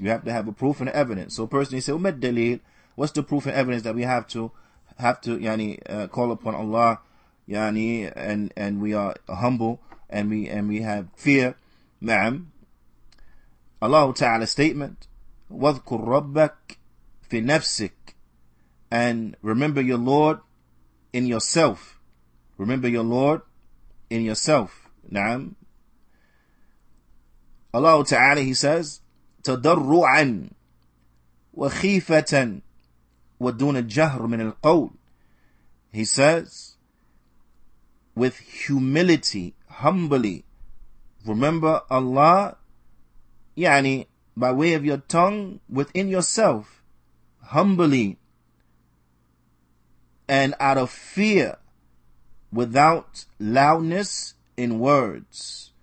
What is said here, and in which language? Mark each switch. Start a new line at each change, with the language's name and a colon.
English: You have to have a proof and evidence. So a person, you say, "Umad dalil, what's the proof and evidence that we have to yani call upon Allah, yani, and we are humble and we have fear, ma'am." Allah Ta'ala statement,
Arabic: "Wadhkur rabbak fi nafsik,"
English: and remember your Lord in yourself. Remember your Lord in yourself. Naam. Allah Ta'ala, he says,
Arabic: تَدَرُّعًا وَخِيفَةً وَدُونَ الْجَهْرُ مِنَ الْقَوْلِ.
English: He says, with humility, humbly, remember Allah, يعني, by way of your tongue, within yourself, humbly, and out of fear, without loudness in words.